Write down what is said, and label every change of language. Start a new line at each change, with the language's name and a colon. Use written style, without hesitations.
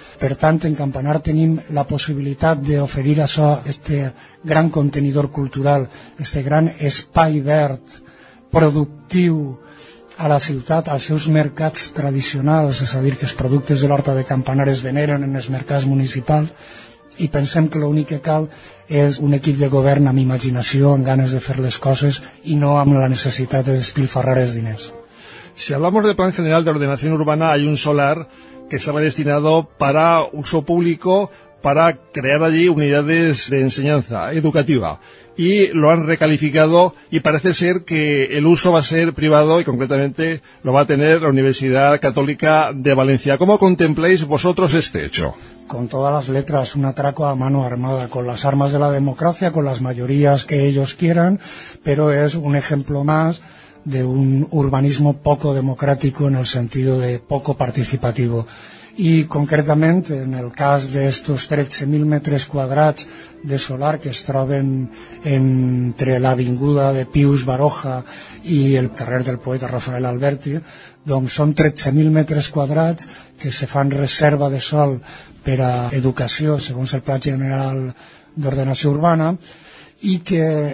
Catalan: Per tant, en Campanar tenim la possibilitat d'oferir això, aquest gran contenidor cultural, aquest gran espai verd productiu a la ciutat, als seus mercats tradicionals, és a dir, que els productes de l'horta de Campanar es veneren en els mercats municipals, i pensem que l'únic que cal és un equip de govern amb imaginació, amb ganes de fer les coses i no amb la necessitat de despilfarrar els diners.
Spanish: Si hablamos del Plan General de Ordenación Urbana, hay un solar que estaba destinado para uso público, para crear allí unidades de enseñanza educativa. Y lo han recalificado y parece ser que el uso va a ser privado y concretamente lo va a tener la Universidad Católica de Valencia. ¿Cómo contempláis vosotros este hecho? Con todas las letras, un atraco a mano armada, con las armas de la democracia, con las mayorías que ellos quieran, pero es un ejemplo más de un urbanismo poco democrático en el sentido de poco participativo.
Catalan: i concretament en el cas d'estos 13.000 metres quadrats de solar que es troben entre l'avinguda de Pius Baroja i el carrer del poeta Rafael Alberti, doncs són 13.000 metres quadrats que se fan reserva de sol per a educació segons el Pla General d'Ordenació Urbana, i que